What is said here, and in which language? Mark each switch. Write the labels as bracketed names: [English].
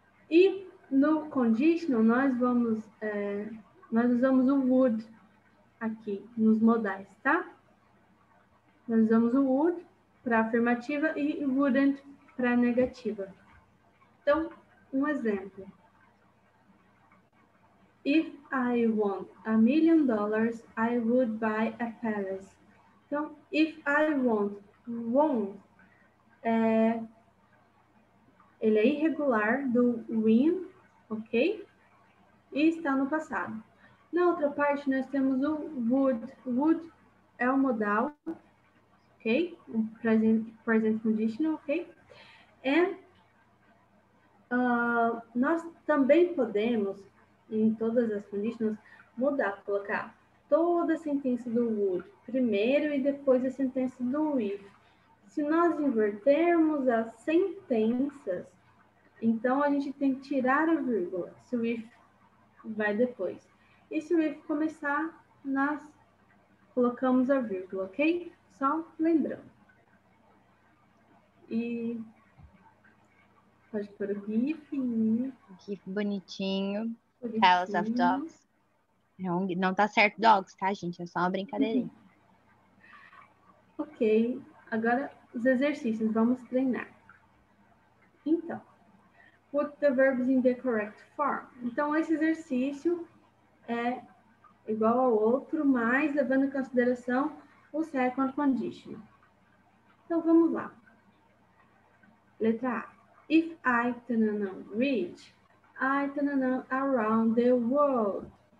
[Portuguese] E no conditional, nós usamos o would, aqui nos modais, tá? Nós usamos o would para afirmativa e wouldn't para negativa. Então, um exemplo. [English] If I won $1 million, I would buy a palace. [Portuguese] Então, [English] if I won, [Portuguese] é, ele é irregular do win, ok? E está no passado. Na outra parte, nós temos o would. Would é o modal, ok? O present conditional, ok? And nós também podemos, em todas as conditions, mudar, colocar toda a sentença do would primeiro e depois a sentença do if. Se nós invertermos as sentenças, então a gente tem que tirar a vírgula, se o if vai depois. E se o if começar, nós colocamos a vírgula, ok? Só lembrando. E pode pôr o GIF. GIF bonitinho. Palace of Dogs. Não tá certo dogs, tá, gente? É só uma brincadeirinha. Ok. Agora, os exercícios. Vamos treinar. [English] Então, put the verbs in the correct form. [Portuguese] Então, esse exercício é igual ao outro, mas levando em consideração o second condition. Então, vamos lá. Letra A. [English] If I reach, I around the world.